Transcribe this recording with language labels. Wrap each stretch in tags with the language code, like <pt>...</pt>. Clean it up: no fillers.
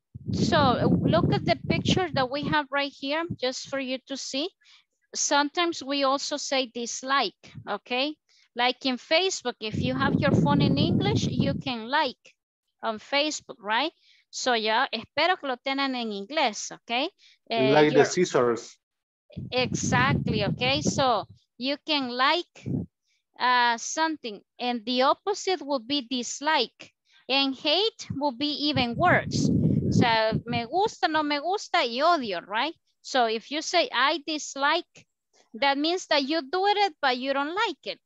<en>So look at the picture that we have right here, just for you to see. Sometimes we also say dislike, okay? Like in Facebook, if you have your phone in English, you can like on Facebook, right?</en> <es>So yeah, espero que lo tengan en inglés, okay?</es> <en>Like the scissors. Exactly, okay? So you can like something, and the opposite would be dislike, and hate would be even worse. So,</en> <es>me gusta, no me gusta, y odio,</es> <en>right? So if you say, I dislike, that means that you do it, but you don't like it.</en>